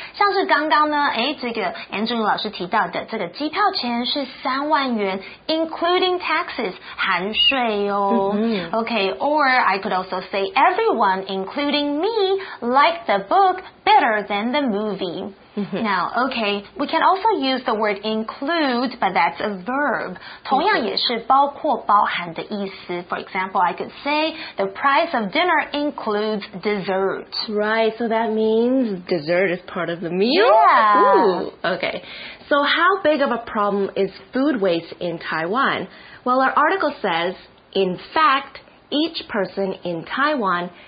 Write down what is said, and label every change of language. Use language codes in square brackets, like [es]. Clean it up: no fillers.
[zh] 像是刚刚呢，哎，这个 Angeline 老师提到的这个机票钱是 [en] 30,000 yuan including taxes, [zh] 含税哦。 [en] Okay, or I could also say everyone, including me, like the book better than the movie. Now, okay, we can also use the word include, but that's a verb. [zh] 同样也是包括包含的意思。 [en] For example, I could say, the price of dinner includes dessert. Right, so that means dessert is part of the meal? Yeah. Ooh, okay. So how big of a problem is food waste in Taiwan? Well, our article says, in fact, each person in Taiwan...